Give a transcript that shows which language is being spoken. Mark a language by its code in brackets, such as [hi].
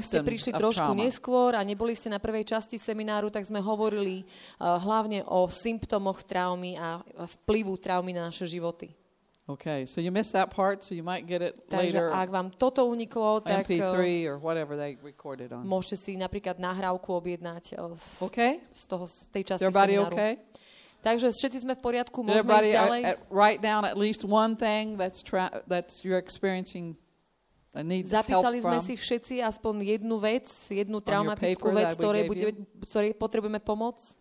[sk] Ak ste prišli trošku neskôr a neboli ste na prvej časti semináru, tak sme hovorili hlavne o symptómoch traumy a vplyvu traumy na naše životy. [en] Okay, so you missed that part, so you might get it later. [sk] Takže ak vám toto uniklo, tak [en] MP3 or whatever they recorded on. [sk] Môžete si napríklad nahrávku objednať z tej časti semináru. [en] Everybody okay? [sk] Takže všetci sme v poriadku, môžeme ísť ďalej. [en] Write down at least one thing that's you're experiencing. [sk] Zapísali sme si všetci aspoň jednu vec, jednu traumatickú vec, ktorej potrebujeme pomoc.